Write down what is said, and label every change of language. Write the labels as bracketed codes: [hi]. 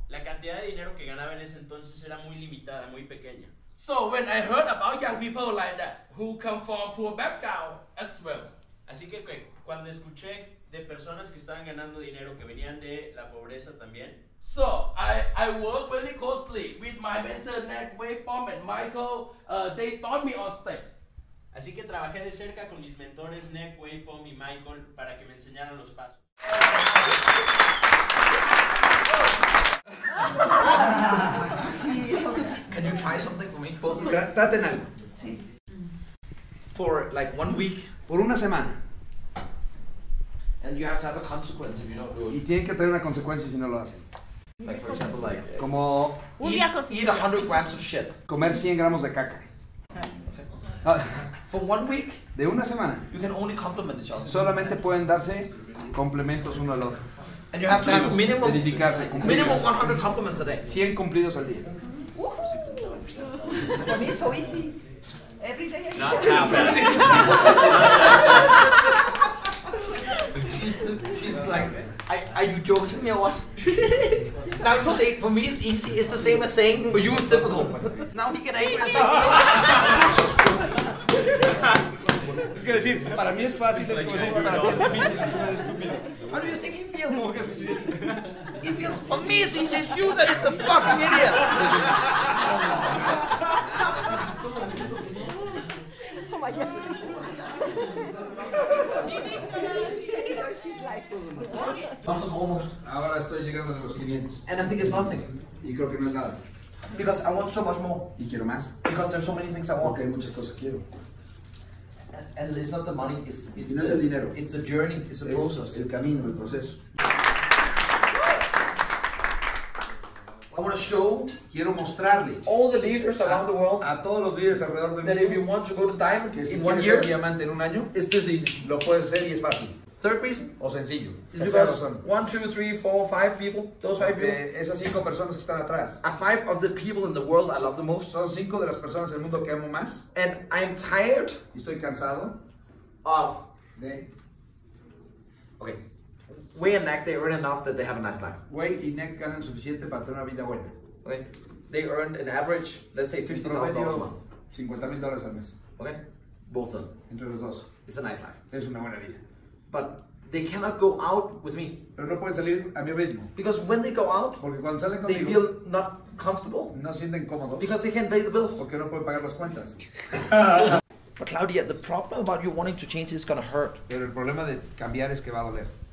[es] La cantidad de dinero que ganaba en ese entonces era muy limitada, muy pequeña. [en] So when I heard about young people like that who come from poor background as well, [es] así que cuando escuché de personas que estaban ganando dinero que venían de la pobreza también, [en] so I worked really closely with my mentor Nick Waveform and Michael. They taught me all step. [es] Así que trabajé de cerca con mis mentores Nick Waveform y Michael para que me enseñaran los pasos. [en] Can you try something for me? Both of you. [es] Date en algo. [en] For like 1 week. [es] Por una semana. [en] And and you have to have a consequence if you don't do it. [es] Y tienen que tener una consecuencia si no lo hacen. [en] Like for example, like [es] como [en] eat 100 grams of shit. [es] Comer 100 gramos de caca. [en] Okay. For 1 week. [es] De una semana. [en] You can only compliment each other. [es] Solamente pueden darse complementos uno al otro. [en] And you have to have minimum 100 compliments a day. [es] 100 cumplidos al día. [en] For me, so easy. Every day. Not happens. She's like, are you joking me or what? Now you say, for me it's easy, it's the same as saying, for you it's difficult. Now he can angry at that. [es] Es que decir, para mí es fácil, es como decir, para ti es difícil, entonces es estúpido. [en] How do you think he feels? [es] ¿Cómo que se siente? [en] He feels, for me it's easy, it's you that is the fucking idiot. Oh my God. [es] Ahora estoy llegando a los 500. [en] And I think it's nothing. [es] Y creo que no es nada. [en] Because I want so much more. [es] Y quiero más. [en] Because there's so many things I want. [es] Okay, muchas cosas quiero. [en] And it's not the money. It's [es] y no [en] the, [es] es el dinero. [en] It's a journey. It's a [es] es [en] process. [es] El camino, el proceso. [en] I want to show [es] quiero mostrarle [en] all the leaders around the world [es] a todos los líderes alrededor del [en] that [es] mundo [en] if you want to go to diamond [es] si [en] in 1 year, [es] ser diamante en un año, [en] it's this easy. [es] Lo puedes hacer y es fácil. [en] Third reason, [es] o sencillo. [en] One, two, three, four, five people. Those five people. [es] Esas cinco personas que están atrás. [en] A five of the people in the world I love the most. [es] Son cinco de las personas del mundo que amo más. [en] And I'm tired. [es] Y estoy cansado. [en] Of. [es] De. [en] Okay. Way and neck, they earn enough that they have a nice life. [es] Way y neck ganan suficiente para tener una vida buena. [en] Okay. They earn an average, let's say $50,000 a month. [es] $50,000 al mes. [en] Okay. Both of them. [es] Entre los dos. [en] It's a nice life. [es] Es una buena vida. [en] But they cannot go out with me. [es] Pero no pueden salir a mi ritmo. [en] Because when they go out, [es] porque cuando salen conmigo, [en] they feel not comfortable. [es] No sienten cómodos. [en] Because they can't pay the bills. [es] Porque no pueden pagar las cuentas. [en] But Claudia, the problem about you wanting to change is going to hurt. [es] Pero el problema de cambiar es que va a doler.